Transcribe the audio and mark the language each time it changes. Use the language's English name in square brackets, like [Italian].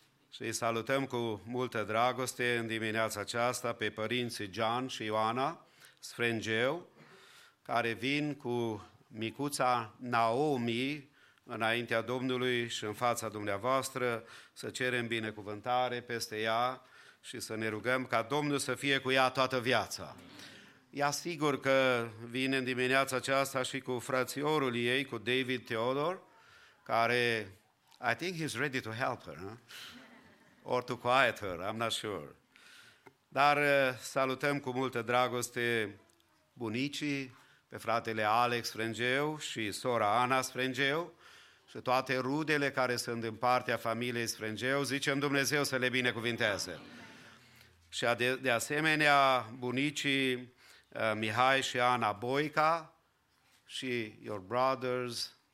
[Romanian] Și îi salutăm cu multă dragoste în dimineața aceasta pe părinții John și Ioana Sfrengeu, care vin cu micuța Naomi înaintea Domnului și în fața dumneavoastră, să cerem binecuvântare peste ea și să ne rugăm ca Domnul să fie cu ea toată viața. Ea sigur că vine în dimineața aceasta și cu frățiorul ei, cu David Theodor, care, [English] I think he's ready to help her, huh? Or to quiet her, I'm not sure. [Romanian] Dar salutăm cu multă dragoste bunicii, pe fratele Alex Sfrengeu și sora Ana Sfrengeu, și toate rudele care sunt în partea familiei Sfrengeu, zicem Dumnezeu să le binecuvinteze. Și de asemenea, bunicii Mihai și Ana Boica și [English] your brothers